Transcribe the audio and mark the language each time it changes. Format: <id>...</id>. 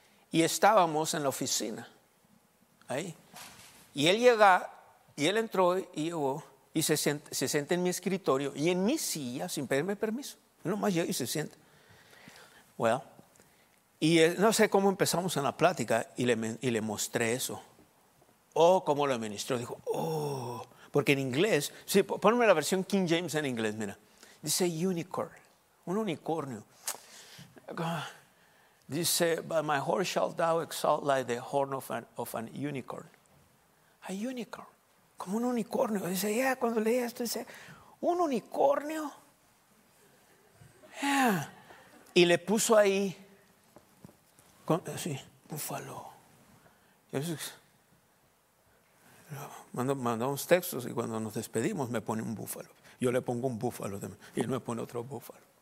<es>Y estábamos en la oficina, ahí. Y él llega, y él entró y llegó, y se sienta en mi escritorio, y en mi silla, sin pedirme permiso. Nomás llega y se sienta. Well. Y no sé cómo empezamos en la plática y le mostré eso. Oh, cómo lo ministró. Dijo, oh, porque en inglés, sí, ponme la versión King James en inglés, mira. Dice unicorn, un unicornio.</es> <en>Dice, but my horse shall thou exalt like the horn of an unicorn. A unicorn,</en> <es>como un unicornio. Dice, yeah, cuando leí esto, dice, un unicornio. Yeah. Y le puso ahí. Sí, búfalo. Mandamos textos y cuando nos despedimos me pone un búfalo. Yo le pongo un búfalo y él me pone otro búfalo.</es>